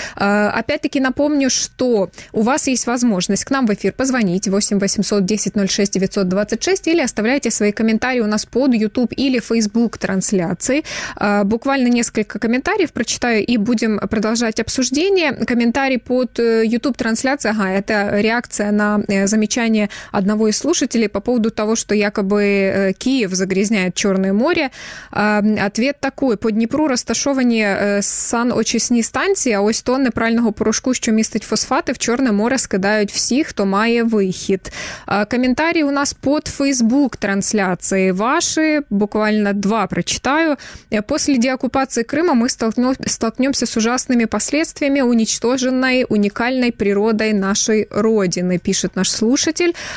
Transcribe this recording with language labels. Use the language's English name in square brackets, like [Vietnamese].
[Russian] Опять-таки напомню, что у вас есть возможность к нам в эфир позвонить 8 800 10 06 926 или оставляйте свои комментарии у нас под YouTube или Facebook трансляции. Буквально несколько комментариев прочитаю и будем продолжать обсуждение. Комментарий под YouTube трансляцией, ага, это реакция на замечание одного из слушателей по поводу того, что якобы Киев загрязняет Черное море. Ответ такой. [Ukrainian] По Дніпру розташовані саночисні станції, а ось тонни прального порошку, що містить фосфати, в Чорне море скидають всі, хто має вихід. Коментарі у нас під Facebook-трансляції ваші. [Russian] Буквально два прочитаю. [Ukrainian] Після деокупації Криму ми столкнемся з ужасними последствиями уничтоженої унікальної природи нашої родини, пише наш слушатель.